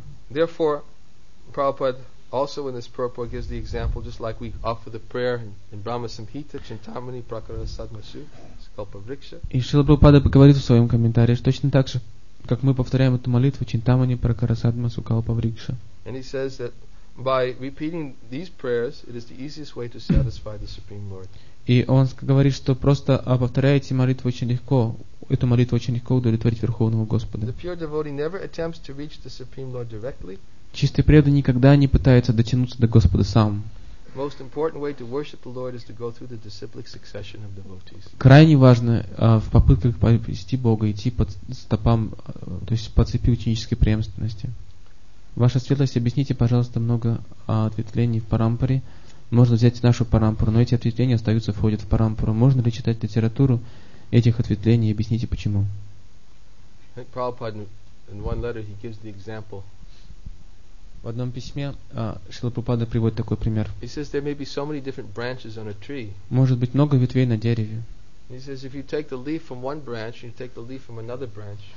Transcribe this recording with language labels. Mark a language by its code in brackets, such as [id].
[en] Therefore, Prabhupada also in this purport gives the example, just like we offer the prayer in Brahma Samhita, Chintamani, Prakara Sadmasu, Skalpa Vriksha. [ru] И Шрила Прабхупада говорит в своем комментарии, что точно так же, как мы повторяем эту молитву, Чинтамани, Пракара Садмасу, Калпа Врикша. [en] And he says that by repeating these prayers, it is the easiest way to satisfy the Supreme Lord. [ru] И он говорит, что просто повторяя эти молитвы очень легко эту молитву очень легко удовлетворить Верховного Господа. [en] The pure devotee never attempts to reach the Supreme Lord directly. [ru] Чистый преданный никогда не пытается дотянуться до Господа сам. [en] Most important way to worship the Lord is to go through the disciplic succession of devotees. [ru] Крайне важно в попытках посетить Бога идти по стопам, то есть по цепи ученической преемственности. Ваша Светлость, объясните, пожалуйста, много ответвлений в парампаре. Можно взять нашу парампару, но эти ответвления остаются, входят в парампару. Можно ли читать литературу этих ответвлений и объясните, почему? [en] Prabhupada, in one letter, he gives the example. [ru] В одном письме Шрила Прабхупада приводит такой пример. [en] He says, there may be so many different branches on a tree. [ru] Может быть, много ветвей на дереве. [en] He says, if you take the leaf from one branch, you take the leaf from another branch.